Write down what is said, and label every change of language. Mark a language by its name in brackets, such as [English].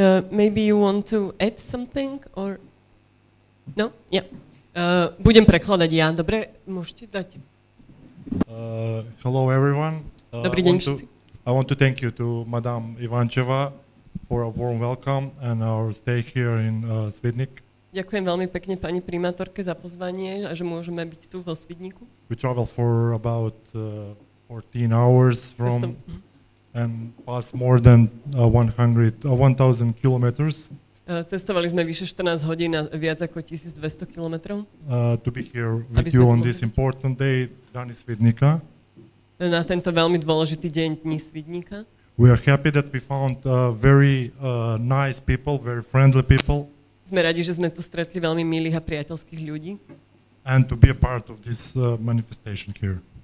[English] Maybe you want to add something or no? [Slovak] Yeah. Budem prekladať ja. Dobre, môžete dať. [English] Hello everyone. [Slovak] Dobrý deň. [English] I want to thank you to Madam Ivančeva for a warm welcome and our stay here in Svidnik. [Slovak] Ďakujem veľmi pekne pani primátorke za pozvanie a že môžeme byť tu vo Svidniku. [English] We travel for about 14 hours from and pass more than 1000 kilometers. [Slovak] Cestovali sme vyše 14 hodín a viac ako 1200 kilometrov. [English] To be here with you on this important day, Dani Svidnika. [Slovak] Na tento veľmi dôležitý deň Dni Svidníka. [English] We are happy that we found very nice people, very friendly people. [Slovak] Sme radi, že sme tu stretli veľmi milých a priateľských ľudí. [English] And to be a part of this manifestation here.